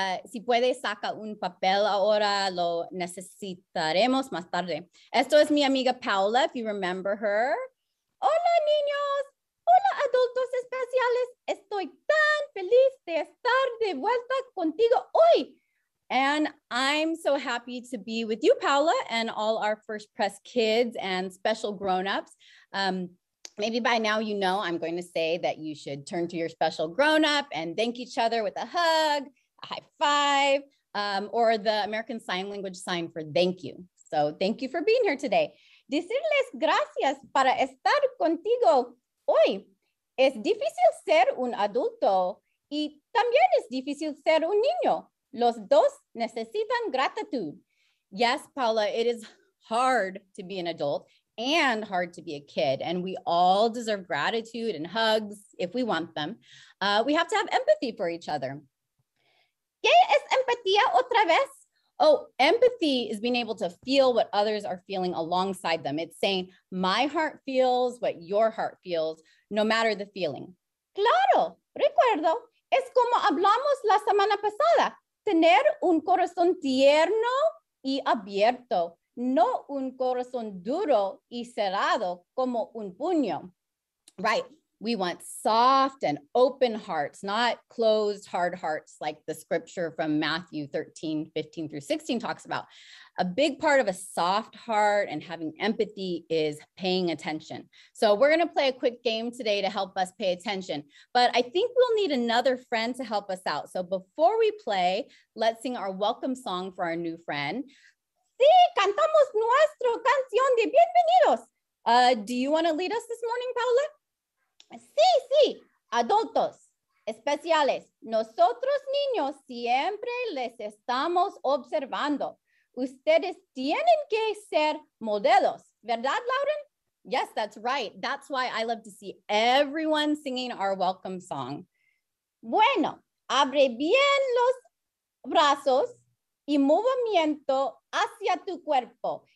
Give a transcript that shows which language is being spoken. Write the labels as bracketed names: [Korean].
[Spanish] Si puede saca un papel ahora, lo necesitaremos más tarde. Esto es mi amiga Paola, [English] if you remember her. [Spanish] Hola, niños. Hola, adultos especiales. Estoy tan feliz de estar de vuelta contigo hoy. [English] And I'm so happy to be with you, Paola, and all our FirstPres kids and special grown-ups. Maybe by now you know I'm going to say that you should turn to your special grown-up and thank each other with a hug, a high five, or the American Sign Language sign for thank you. So thank you for being here today. [Spanish] Decirles gracias para estar contigo hoy. Es difícil ser un adulto y también es difícil ser un niño. Los dos necesitan gratitud. [English] Yes, Paola, it is hard to be an adult and hard to be a kid. And we all deserve gratitude and hugs if we want them. We have to have empathy for each other. [Spanish] ¿Qué es empatía otra vez? [English] Oh, empathy is being able to feel what others are feeling alongside them. It's saying, my heart feels what your heart feels, no matter the feeling. [Spanish] Claro, recuerdo. Es como hablamos la semana pasada. Tener un corazón tierno y abierto, no un corazón duro y cerrado como un puño. [English] Right. We want soft and open hearts, not closed, hard hearts like the scripture from Matthew 13, 15 through 16 talks about. A big part of a soft heart and having empathy is paying attention. So we're going to play a quick game today to help us pay attention, but I think we'll need another friend to help us out. So before we play, let's sing our welcome song for our new friend. [Spanish] Sí, cantamos nuestra canción de bienvenidos. [English] Do you want to lead us this morning, Paola? [Spanish] Sí, sí, adultos especiales. Nosotros niños siempre les estamos observando. Ustedes tienen que ser modelos, ¿verdad, Lauren? [English] Yes, that's right. That's why I love to see everyone singing our welcome song. [Spanish] Bueno, abre bien los brazos y movimiento hacia tu cuerpo.